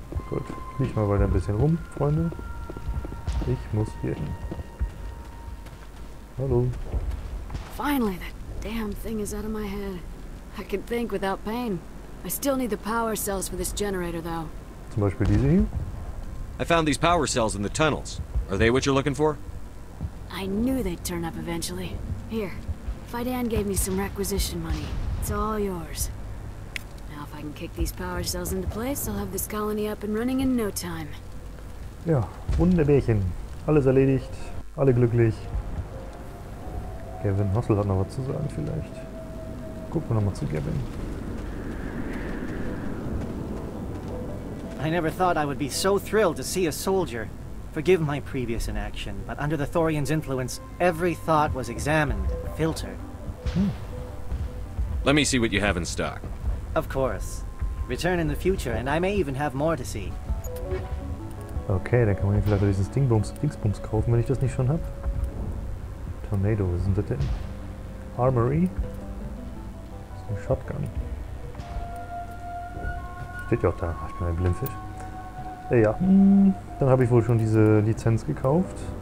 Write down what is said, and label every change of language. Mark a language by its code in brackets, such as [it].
[de] Gut, nicht mal weiter ein bisschen rum, Freunde. Ich muss hier hin. Hallo. [en] Finally, that damn thing is out of my head. I can think without pain. I still need the power cells for this generator, though. [de] Zum Beispiel diese hier. [en] I found these power cells in the tunnels. Are they what you're looking for? I knew they'd turn up eventually. Here, Fidan gave me some requisition money. It's all yours. Now if I can kick these power cells into place, I'll have this colony up and running in no time. [de] Ja, Wunderbärchen. Alles erledigt. Alle glücklich. Gavin Hossel hat noch was zu sagen vielleicht. Gucken wir nochmal zu Gavin. [en] I never thought I would be so thrilled to see a soldier. Forgive my previous inaction, but under the Thorian's influence, every thought was examined and filtered. Let me see what you have in stock. Of course. Return in the future, and I may even have more to see. [de] Okay, dann kann man hier vielleicht diesen Dingsbums kaufen, wenn ich das nicht schon habe. Tornado, was ist denn das denn? Armory? Das ist ein Shotgun. Steht ja auch da. Ich bin ein Blindfisch. Ja, dann habe ich wohl schon diese Lizenz gekauft.